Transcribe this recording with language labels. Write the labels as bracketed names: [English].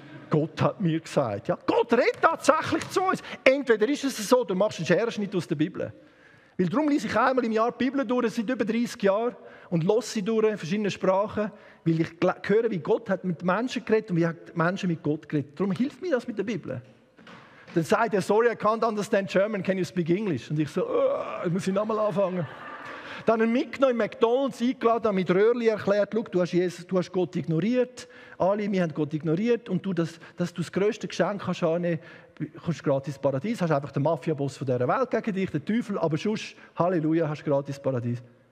[German] Gott hat mir gesagt, ja, Gott redet tatsächlich zu uns. Entweder ist es so, du machst einen Scherenschnitt aus der Bibel. Weil darum lese ich einmal im Jahr die Bibel durch, seit über 30 Jahren, und lese sie durch in verschiedenen Sprachen, weil ich höre, wie Gott hat mit Menschen geredet und wie hat Menschen mit Gott geredet. Darum hilft mir das mit der Bibel. Dann sagt er, [English] sorry, I can't understand German, can you speak English? [German] Und ich so, oh, muss ich nochmal anfangen. Dann habe ich mitgenommen in McDonalds, eingeladen, mit Röhrli erklärt, schau, du hast Jesus, du hast Gott ignoriert, alle, wir haben Gott ignoriert und du, dass du das grösste Geschenk kannst annehmen, kommst gratis ins Paradies, hast einfach den Mafia-Boss von dieser Welt gegen dich, den Teufel, aber sonst, Halleluja, hast gratis ins Paradies.